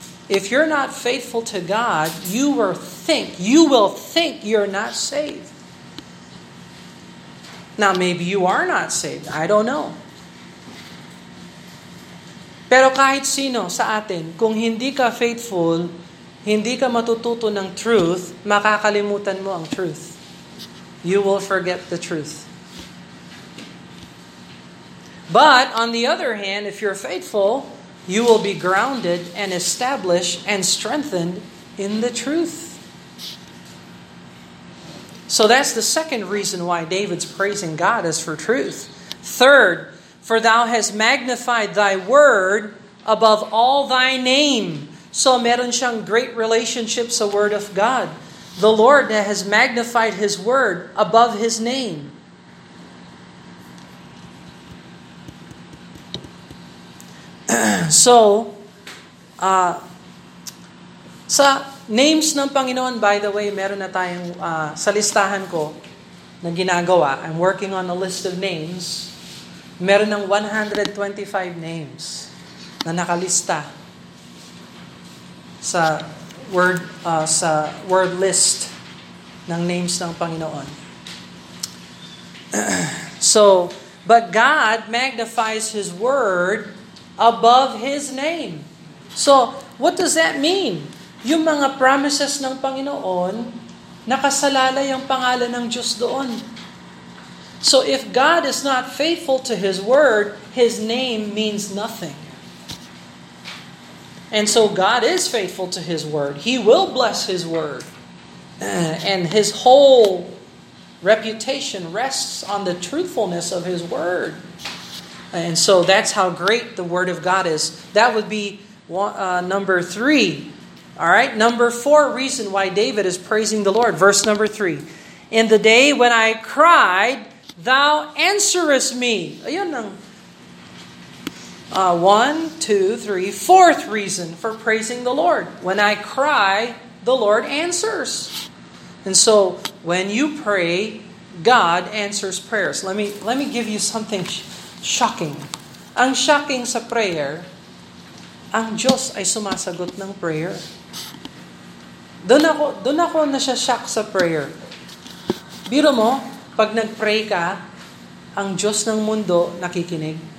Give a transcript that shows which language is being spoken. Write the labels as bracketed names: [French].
[English] If you're not faithful to God, you will think you're not saved. Now, maybe you are not saved. I don't know. [Filipino] Pero kahit sino sa atin, kung hindi ka faithful, hindi ka matututo ng truth, makakalimutan mo ang truth. [English] You will forget the truth. But, on the other hand, if you're faithful, you will be grounded and established and strengthened in the truth. So that's the second reason why David's praising God is for truth. Third, for thou hast magnified thy word above all thy name. [Filipino] So meron siyang great relationship sa word of God. [English] The Lord that has magnified his word above his name. [Filipino] So, sa names ng Panginoon, [English] by the way, [Filipino] meron na tayong sa listahan ko na ginagawa. [English] I'm working on a list of names. [Filipino] Meron ng 125 names na nakalista sa word list ng names ng Panginoon. [English] So, but God magnifies His word above His name. So, what does that mean? [Filipino] Yung mga promises ng Panginoon, nakasalalay yung pangalan ng Diyos doon. [English] So, if God is not faithful to His word, His name means nothing. And so God is faithful to His word. He will bless His word. And His whole reputation rests on the truthfulness of His word. And so that's how great the word of God is. That would be number three. All right, number four reason why David is praising the Lord. Verse number three. In the day when I cried, thou answerest me. [Filipino] Ayun ang... [English] 1, 2, 3, fourth reason for praising the Lord. When I cry, the Lord answers. And so, when you pray, God answers prayers. Let me give you something shocking. [Filipino] Ang shocking sa prayer, ang Diyos ay sumasagot ng prayer. Doon ako nasa-shock sa prayer. Biro mo, pag nag-pray ka, ang Diyos ng mundo nakikinig?